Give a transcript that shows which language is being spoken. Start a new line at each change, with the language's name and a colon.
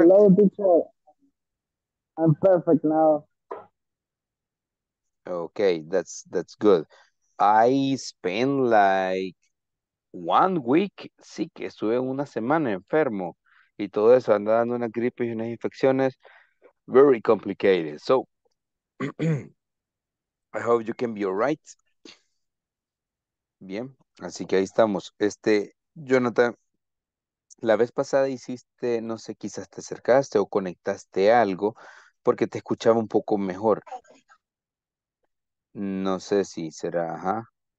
English: Hello, teacher. I'm perfect now. Okay, that's good. I spent like 1 week sick.
Spanish: Estuve una semana enfermo. Y todo eso, andaba dando una gripe y unas infecciones.
English: Very complicated. So, I hope you can be all right.
Spanish: Bien, así que ahí estamos. Jonathan, la vez pasada hiciste, no sé, quizás te acercaste o conectaste algo porque te escuchaba un poco mejor. No sé si será, ajá.